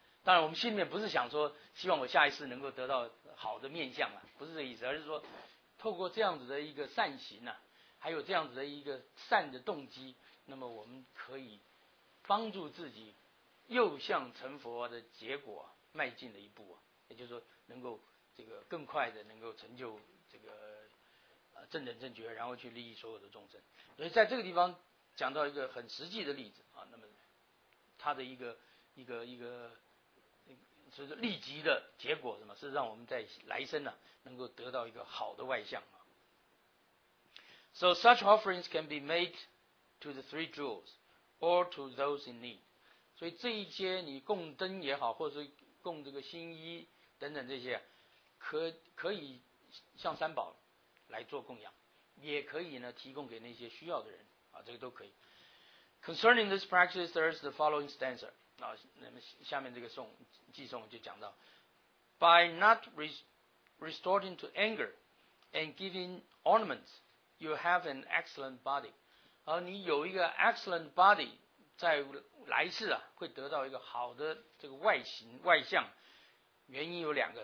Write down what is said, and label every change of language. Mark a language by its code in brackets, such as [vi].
[zh] 当然，我们心里面不是想说希望我下一次能够得到好的面相啊，不是这个意思，而是说透过这样子的一个善行啊，还有这样子的一个善的动机，那么我们可以帮助自己又向成佛的结果迈进了一步啊，也就是说能够这个更快的能够成就这个正等正觉，然后去利益所有的众生。所以在这个地方讲到一个很实际的例子啊，那么它的一个是立即的结果什么，是让我们在来生呢、啊、能够得到一个好的外相啊。 [en] So such offerings can be made to the three jewels or to those in need. [zh] 所以这一些你供灯也好，或者是供这个新衣等等这些，可以向三宝来做供养，也可以呢提供给那些需要的人啊，这个都可以。 [en] Concerning this practice, there is the following stanza [zh] 啊，那么下面这个寄送就讲到 [en] ，By not resorting to anger and giving ornaments, you have an excellent body. [zh] 而你有一个 [en] excellent body [zh] 在。来世啊，会得到一个好的这个外形外相，原因有两个。